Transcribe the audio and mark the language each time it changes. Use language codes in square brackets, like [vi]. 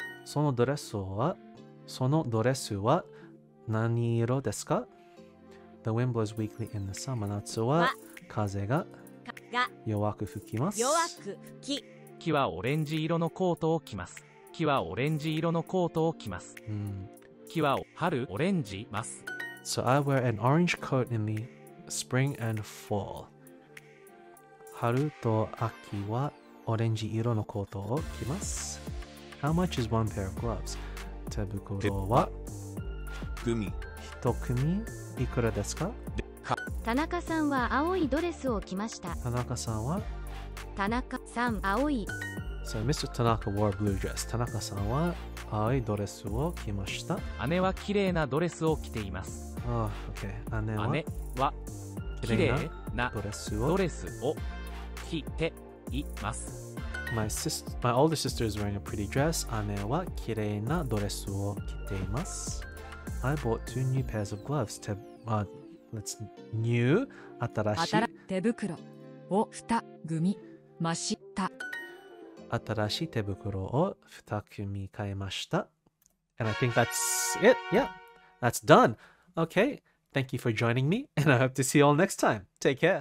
[ja] そのドレスは、そのドレスは何色ですか? [en] The wind blows weakly in the summer. [ja] 夏は風が。弱く吹きます。弱く吹き。木はオレンジ色のコートを着ます。木はオレンジ色のコートを着ます。木は春オレンジます。 [en] So I wear an orange coat in the spring and fall. [ja] 春と秋はオレンジ色のコートを着ます。 [en] How much is one pair of gloves? [ja] 手袋は組一組いくらですか? 田中さんは青いドレスを着ました。田中さんは田中さん、青い。 [en] So, Mr. Tanaka wore a blue dress. [ja] 田中さんは青いドレスを着ました。姉は綺麗なドレスを着ています。 [en] Oh, okay. [ja] 姉は綺麗なドレスを着ています。 [en] My older sister is wearing a pretty dress. [ja] 姉は綺麗なドレスを着ています。 [en] I bought two new pairs of gloves. That's new. [ja] 新しい手袋を二組ました。新しい手袋を二組買いました。 [en] And I think that's it. Yeah, that's done. Okay, thank you for joining me, and I hope to see you all next time. Take care.